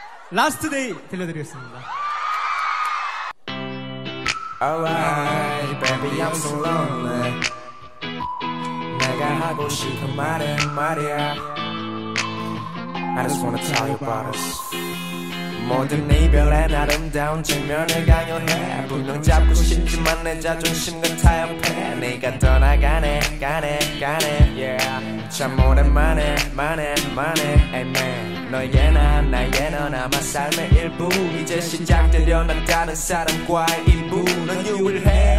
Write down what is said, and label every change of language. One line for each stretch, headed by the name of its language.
Korean: 라스트 데이 들려드리겠습니다.
English: Alright, baby, I'm so lonely.
Korean: 내가 하고 싶은 말은 말이야.
English: I just wanna tell you about us.
Korean: 모든 이별엔 아름다운 측면을 강요해. 분명 잡고 싶지만 내 자존심은 타협해. 네가 떠나가네, 가네, 가네. Yeah. 참 오랜만에, 만에, 만에. Amen. 너의 나, 나의 너, 아마 삶의 일부. 이제 시작되려 난 다른 사람과의 일부. 넌 유일해.